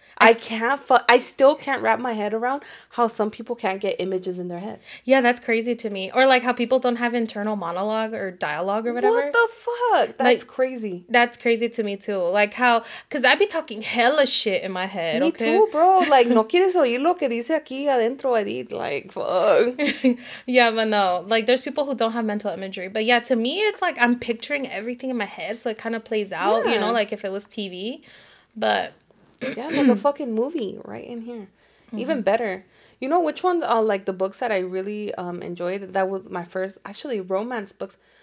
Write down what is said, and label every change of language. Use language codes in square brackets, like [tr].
[en] I still can't wrap my head around how some people can't get images in their head. Yeah, that's crazy to me. Or, like, how people don't have internal monologue or dialogue or whatever. What the fuck? That's, like, crazy. That's crazy to me, too. Like, how... Because I'd be talking hella shit in my head, me okay? Me too, bro. [es] Like, no quieres oír lo que dice aquí adentro, Edith. [en] Like, fuck. Yeah, but no. Like, there's people who don't have mental imagery. But, yeah, to me, it's like I'm picturing everything in my head, so it kind of plays out, you know, like if it was TV. But... Yeah, like a fucking movie right in here. Mm-hmm. Even better. You know which ones are, like, the books that I really enjoyed? That was my first, actually, romance books.